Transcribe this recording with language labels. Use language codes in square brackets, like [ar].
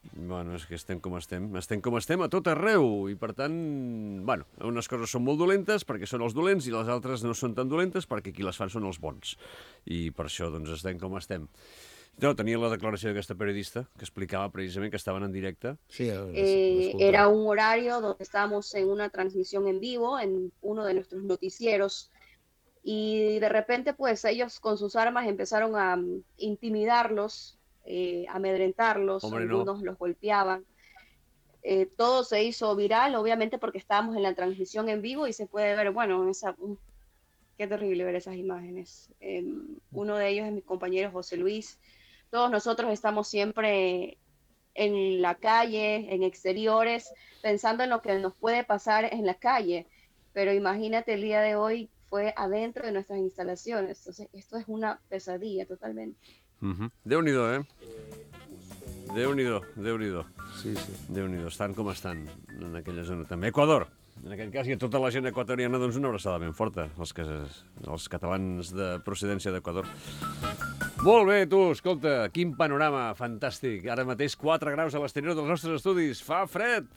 [ca] Bueno, és que estem com estem. Estem com estem a tot arreu. I, per tant, bueno, unes coses són molt dolentes perquè són els dolents i les altres no són tan dolentes perquè qui les fan són els bons. I per això, doncs, estem com estem. No, tenia la declaració d'aquesta periodista que explicava precisament que estaven en directe. Sí, [es] era un horario donde estábamos en una transmisión en vivo en uno de nuestros noticieros. Y de repente, pues, ellos con sus armas empezaron a intimidarlos, amedrentarlos, algunos los golpeaban. Todo se hizo viral, obviamente, porque estábamos en la transmisión en vivo y se puede ver, bueno, qué terrible ver esas imágenes. Uno de ellos es mi compañero José Luis. Todos nosotros estamos siempre en la calle, en exteriores, pensando en lo que nos puede pasar en la calle. Pero imagínate, el día de hoy fue adentro de nuestras instalaciones. Entonces, esto es una pesadilla totalmente. [ca] Déu-n'hi-do, eh? Déu-n'hi-do, Déu-n'hi-do. Sí, sí. Déu-n'hi-do, estan com estan en aquella zona. També Equador, en aquest cas, i a tota la gent equatoriana, doncs una abraçada ben forta, els catalans de procedència d'Equador. Molt bé, tu, escolta, quin panorama fantàstic. Ara mateix 4 graus a l'exterior dels nostres estudis, fa fred.